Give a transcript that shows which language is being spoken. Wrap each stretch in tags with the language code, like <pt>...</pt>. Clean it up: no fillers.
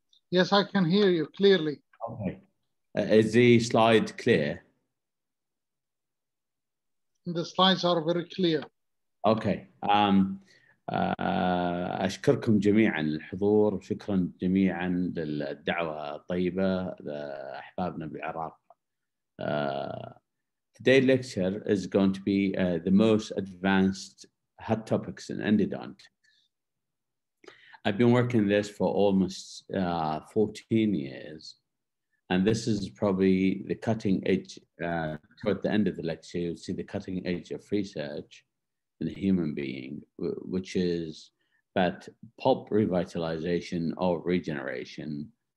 <en>Yes, I can hear you clearly. Okay. Is the slide clear? The slides are very clear.</en> <ar>Okay. أشكركم جميعاً للحضور. شكراً جميعاً للدعوة الطيبة لأحبابنا بالعراق.</ar> <en>Today's lecture is going to be the most advanced hot topics in endodontics. I've been working this for almost 14 years. And this is probably the cutting edge. Toward the end of the lecture, you'll see the cutting edge of research in the human being, which is that pulp revitalization or regeneration.</en>